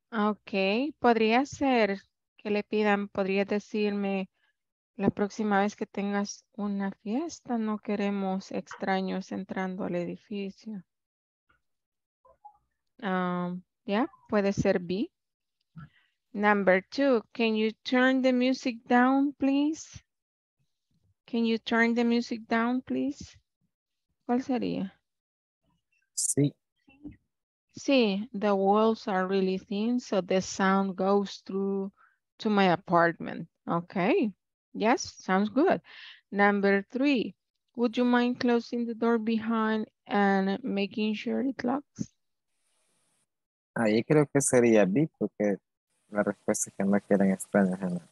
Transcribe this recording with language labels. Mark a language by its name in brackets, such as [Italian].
[Spanish] Okay, podría ser que le pidan, podría decirme la próxima vez que tengas una fiesta, no queremos extraños entrando al edificio. Yeah, puede ser B. [English] Number two, can you turn the music down, please? Can you turn the music down, please? [Spanish] ¿Cuál sería? Sí. [English] See, the walls are really thin, so the sound goes through to my apartment. Okay, yes, sounds good. Number three, would you mind closing the door behind and making sure it locks? [Spanish] Ahí creo que sería B, porque la respuesta es que no quieren extrañar.